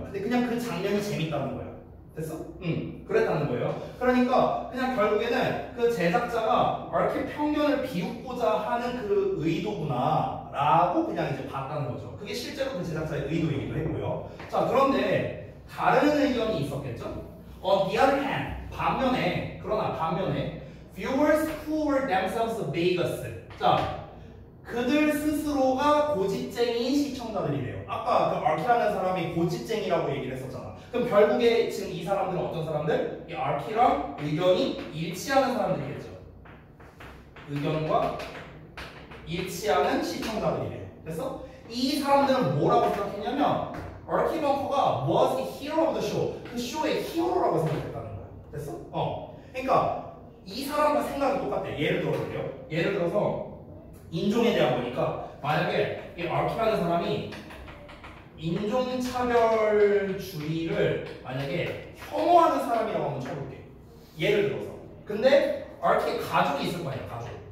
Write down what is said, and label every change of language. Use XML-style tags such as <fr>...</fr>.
<ko>근데 그냥 그 장면이 재밌다는 거야. 됐어? 응. 그랬다는 거예요. 그러니까 그냥 결국에는 그 제작자가 이렇게 편견을 비웃고자 하는 그 의도구나 라고 그냥 이제 봤다는 거죠. 그게 실제로 그 제작자의 의도이기도 했고요. 자, 그런데 다른 의견이 있었겠죠?</ko> <en>On the other hand,</en> <ko>반면에, 그러나 반면에</ko> <en>viewers who were themselves bigots.</en> <ko>자, 그들 스스로가 고집쟁이인 시청자들이래요. 아까 그 RK라는 사람이 고집쟁이라고 얘기를 했었잖아. 그럼 결국에 지금 이 사람들은 어떤 사람들? 이 RK랑 의견이 일치하는 사람들이겠죠. 의견과 일치하는 시청자들이래요. 그래서 이 사람들은 뭐라고 생각했냐면 RK 벙커가</ko> <en>was the hero of the show.</en> <ko>그 쇼의 히어로라고 생각했다는 거야. 됐어? 그러니까 이 사람과 생각이 똑같아. 예를 들어볼게요. 예를 들어서 인종에 대한 거니까 만약에 이 RK라는 사람이 인종차별주의를 만약에 혐오하는 사람이라고 한번 쳐볼게. 예를 들어서. 근데 RK 가족이 있을 거 아니야, 가족.</ko>